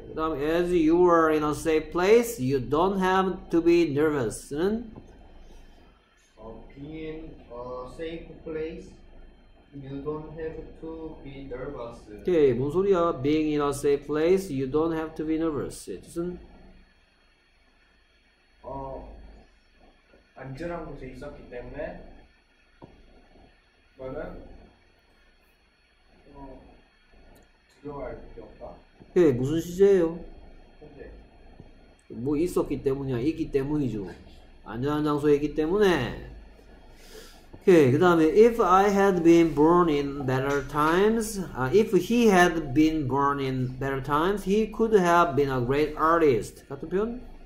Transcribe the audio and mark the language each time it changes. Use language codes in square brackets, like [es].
[ko] 그 다음 [en] As you are in a safe place you don't have to be nervous. Being a safe place You don't have to be nervous. [ko] 오케이, 뭔 소리야? [en] Being in a safe place, you don't have to be nervous. [ko] 무슨? 안전한 곳에 있었기 때문에 너는 두려워할 필요 없다. 오케이, 무슨 시제예요? 근데 뭐 있었기 때문이야, 있기 때문이죠. 안전한 장소에 있기 때문에. 오케이, 그 다음에 [en] If I had been born in better times If he had been born in better times He could have been a great artist [ko] 같은 표현?